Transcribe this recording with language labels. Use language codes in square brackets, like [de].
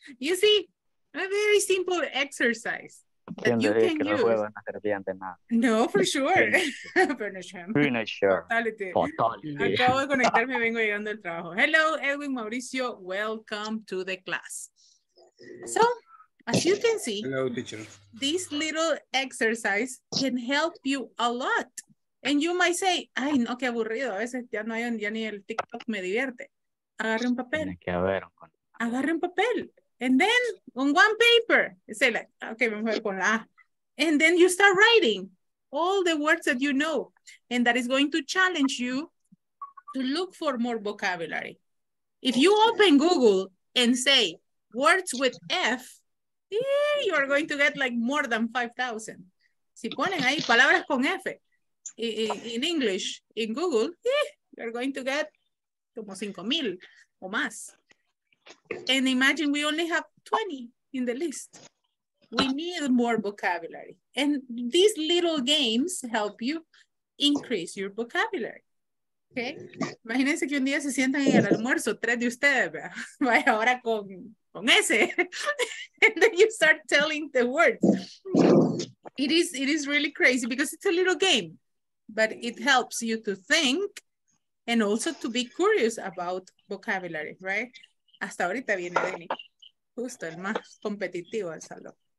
[en] You see, a very simple exercise. Hello, Edwin Mauricio. Welcome to the class. So, as you can see, hello, teacher. This little exercise can help you a lot. And you might say, [es] ay, no, qué aburrido. A veces ya no hay ya ni el TikTok me divierte. Agarre un papel. Tiene que haber. Agarre un papel. [en] And then on one paper, say like, okay, [es] vamos a ver con la. [en] And then you start writing all the words that you know. And that is going to challenge you to look for more vocabulary. If you open Google and say words with F, you're going to get like more than 5,000. [es] Si ponen ahí palabras con F [en] in English, in Google, you're going to get [es] como 5,000 o más. [en] And imagine we only have 20 in the list. We need more vocabulary. And these little games help you increase your vocabulary. Okay? [es] Imagínense que un día se sientan en el almuerzo, tres de ustedes, ¿verdad? Vaya ahora con ese. [en] And then you start telling the words. It is really crazy because it's a little game. But it helps you to think and also to be curious about vocabulary, right? [es] hasta ahorita viene Denny, justo el más competitivo del salón.